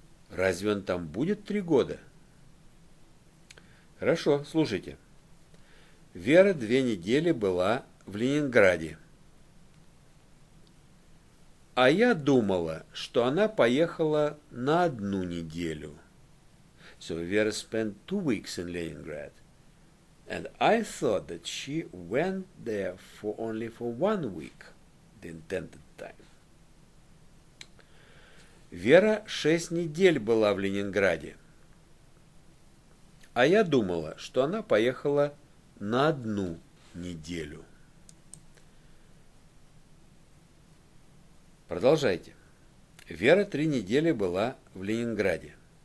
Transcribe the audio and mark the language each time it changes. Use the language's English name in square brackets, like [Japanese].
[Russian] Разве он там будет 3 года? Хорошо, слушайте. Вера 2 недели была в Ленинграде. А я думала, что она поехала на 1 неделю. [English] So Vera spent 2 weeks in Leningrad. And I thought that she went there for only for 1 week, the intended time. [Russian] Вера 6 недель была в Ленинграде. А я думала, что она поехала на 1 неделю. Продолжайте. Вера 3 недели была в Ленинграде.